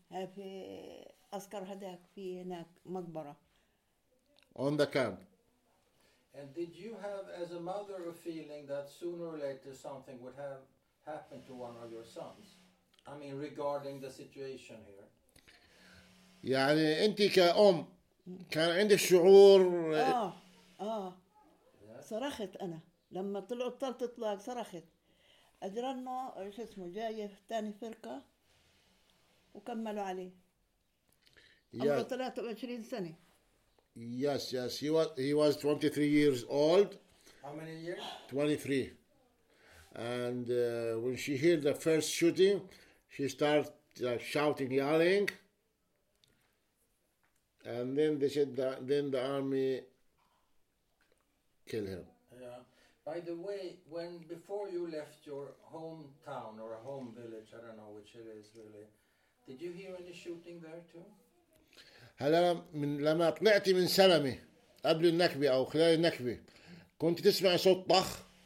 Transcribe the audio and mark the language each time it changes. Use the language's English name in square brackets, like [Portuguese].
[Arabic] في أذكر هذاك في هناك مقبرة. [English] On the camp. And did you have, as a mother, a feeling that sooner or later something would have happened to one of your sons? I mean, regarding the situation here. [Arabic] يعني أنت كأم كان عندي شعور. صرخت أنا لما طلعوا الثلاث إطلاق صرخت. أدرانه شو اسمه جاي ثاني فرقة وكملوا عليه. عمره 23 سنة. [English] Yes. He was 23 years old. How many years? 23. And when she heard the first shooting, she started shouting, yelling. And then they said that then the army killed him. Yeah. By the way, when before you left your hometown or home village, I don't know which it is really, did you hear any shooting there too? [Arabic] هلا من لما طلعتي من سلمة قبل النكبة أو خلال النكبة كنت تسمع صوت طخ؟